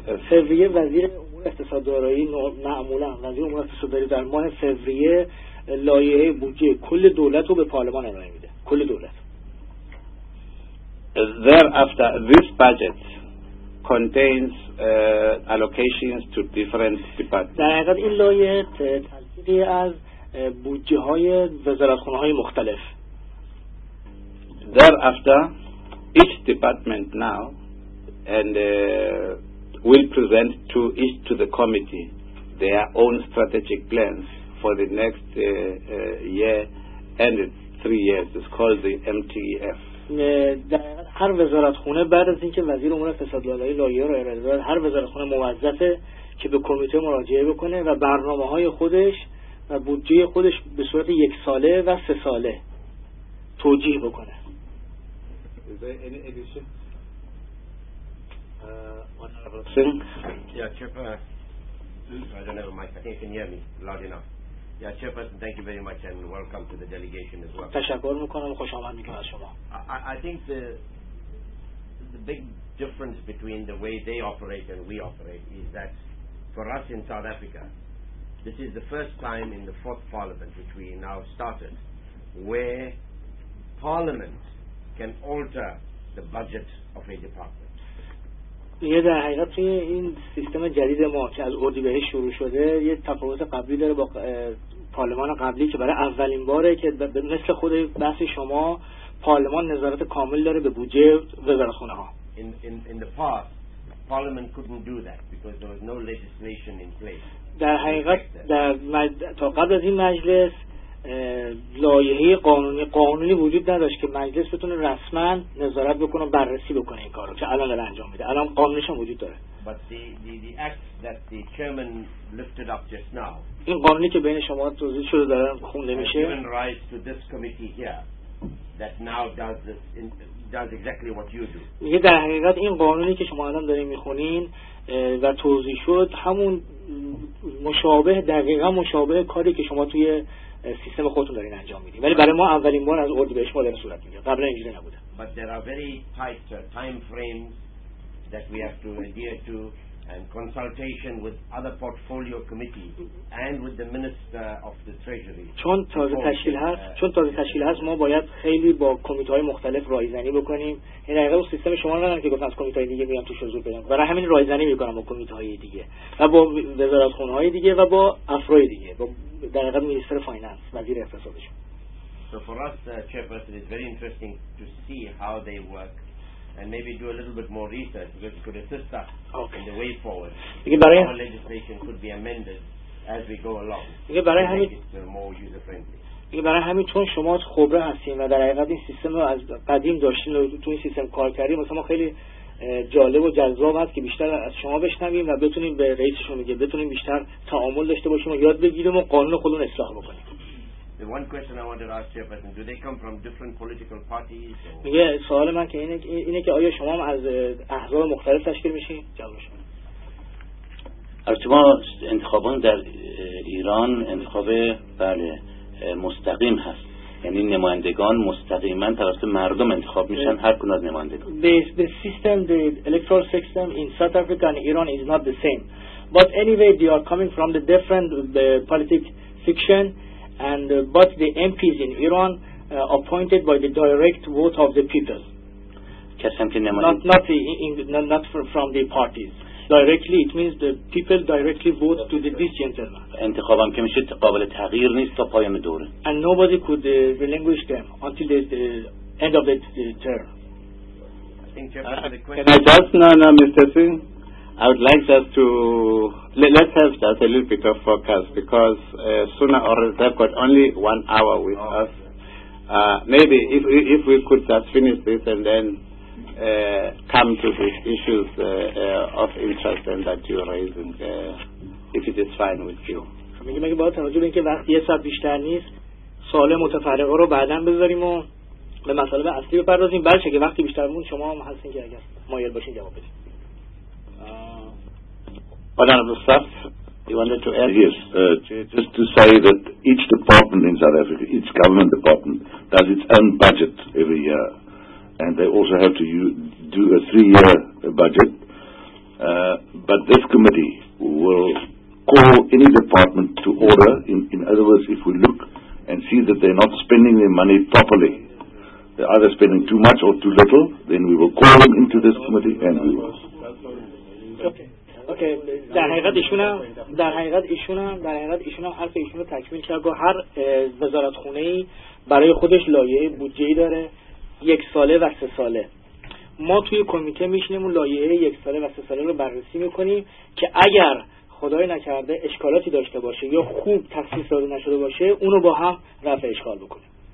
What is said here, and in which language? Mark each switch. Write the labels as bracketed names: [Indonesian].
[Persian] فوریه وزیر امور اقتصاد دارایی معمولا وزیر امور اقتصاد دارایی در ماه فوریه لایحه بودجه کل دولت رو به پارلمان ارائه میده. کل دولت. [English] Thereafter, this budget contains allocations to different departments. [Persian] در حقیقت این لایحه تلفیقی از بودجه های وزارتخانه های مختلف. [English] Thereafter, each department now and will present to the committee their own strategic plans for the next year and 3 years. It's called the MTEF. [Persian] هر وزارتخونه بعد از اینکه وزیر امور اقتصاد دارایی لایحه رو ارائه داد هر وزارتخونه موظفه که به کمیته مراجعه بکنه و برنامه های خودش و بودجه خودش به صورت یک ساله و سه ساله توجیه بکنه. [English] Is there any addition? Honorable Singh? Yeah, I don't know, Mike. I think you can hear me loud enough. Yeah, Chairperson, thank you very much and welcome to the delegation as well. [Persian] تشکر میکنم و خوش آمد میکنم از شما. [English] I think the big difference between the way they operate and we operate is that for us in South Africa, this is the first time in the fourth parliament which we now started where parliament can alter the budget of a department. [Persian] یه در حقیقت توی این سیستم جدید ما که از اردیبهشت شروع شده یه تفاوت قبلی داره با پارلمان قبلی که برای اولین باره که مثل خود بحث شما پارلمان نظارت کامل داره به بودجه وزارتخونه ها. [English] In the past, parliament couldn't do that because there was no legislation in place. [Persian] در حقیقت تا قبل از این مجلس لایحه قانونی وجود نداشت که مجلس بتونه رسما نظارت بکنه و بررسی بکنه این کارو که الان داره انجام میده. الان قانونش هم وجود داره. [English] But the act that the chairman lifted up just now. [Persian] این قانونی که بین شما توضیح شده دارن خونده میشه. [English] Given rise to this committee here that now does this does exactly what you do. [Persian] میگه در حقیقت این قانونی که شما الان دارین میخونین و توضیح شد همون مشابه دقیقا مشابه کاری که شما توی سیستم خودتون دارین انجام میدین ولی برای ما اولین بار از اردیبهشت مدل صورت میگیره قبلا اینجوری نبوده. [English] But there are very tight time frames that we have to adhere to and consultation with other portfolio committees and with the minister of the treasury. [Persian] چون تازه تشکیل هست ما باید خیلی با کمیته های مختلف رایزنی بکنیم. این دقیقه با سیستم شما ندارم که گفتن از کمیته های دیگه میام توش حضور بدم. برای همین رایزنی میکنم با کمیته های دیگه و با وزارتخونه های دیگه و با افرای دیگه با دقیقه [English] minister finance [Persian] وزیر اقتصادشون. [English] So for us chairperson is very interesting to see how they work and maybe do a little bit more research because it could assist us in the way forward. Our legislation could be amended as we go along. [Persian] برای همین چون شما خبره هستین و در حقیقت این سیستم رو از قدیم داشتین و تو این سیستم کار کردین مثلا ما خیلی جالب و جذاب هست که بیشتر از شما بشنویم و بتونیم به رئیس شما میگه بتونیم بیشتر تعامل داشته باشیم و یاد بگیریم و قانون خودمون اصلاح بکنیم. [English] The one question I wanted to ask you about, do they come from different political parties? [Persian] میگه سوال من که اینه که آیا شما هم از احزاب مختلف تشکیل میشین؟ جوابشون البته ما انتخابان در ایران انتخاب بله مستقیم هست، یعنی نمایندگان مستقیما توسط مردم انتخاب میشن. هر کدوم از نمایندگان [English] the system, the electoral system in South Africa and Iran is not the same, but anyway they are coming from the different political section and but the MPs in Iran appointed by the direct vote of the people. [Persian] کسیم که [English] not from the parties directly, it means the people directly vote to this gentleman. [Persian] انتخابم که میشه قابل تغییر نیست تا پایان دوره. [English] And nobody could relinquish them until the end of the term. No, Mr. Singh. I would like just to let's have just a little bit of focus because sooner or later they've got only 1 hour with us. Maybe if we could just finish this and then come to the issues of interest and that you are raising, if it is fine with you. [Persian] میگم که با توجه به اینکه وقت یه ساعت بیشتر نیست، سوال متفرقه رو بعداً بذاریم و به مسئله اصلی بپردازیم. بلکه که وقتی بیشتر مون شما هم هستین که اگر مایل باشین جواب بدید. [English] Honorable staff, you wanted to add? Yes, just to say that each department in South Africa, each government department, does its own budget every year. And they also have to do a 3-year budget. But this committee will call any department to order. In other words, if we look and see that they're not spending their money properly, they're either spending too much or too little, then we will call them into this committee and we will. Okay. [Persian] در حقیقت ایشون هم حرف ایشون رو تکمیل کرد و هر وزارتخونه ای برای خودش لایحه بودجه ای داره، یک ساله و سه ساله. ما توی کمیته میشینیم و لایحه یک ساله و سه ساله رو بررسی میکنیم که اگر خدای نکرده اشکالاتی داشته باشه یا خوب تخصیص داده نشده باشه اونو با هم رفع اشکال بکنیم.